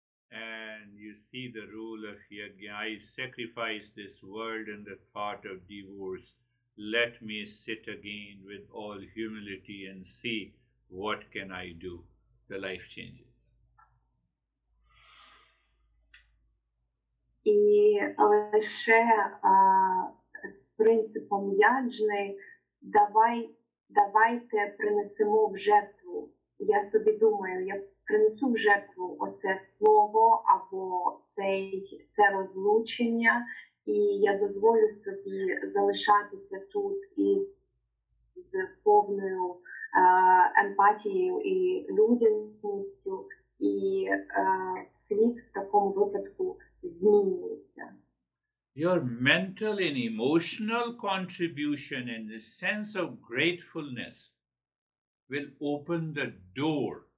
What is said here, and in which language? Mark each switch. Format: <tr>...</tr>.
<en>And you see the rule of Yajna, I sacrifice this world and the thought of divorce. Let me sit again with all humility and see what can I do. The life changes.</en> <uk>І лише з принципом Яджни, давайте принесемо в жертву. Я собі думаю, я принесу в жертву оце слово або це розлучення, і я дозволю собі залишатися тут із повною емпатією і людяністю, і світ в такому випадку змінюється.</uk> <en>Your mental and emotional contribution and the sense of gratefulness will open the door.</en>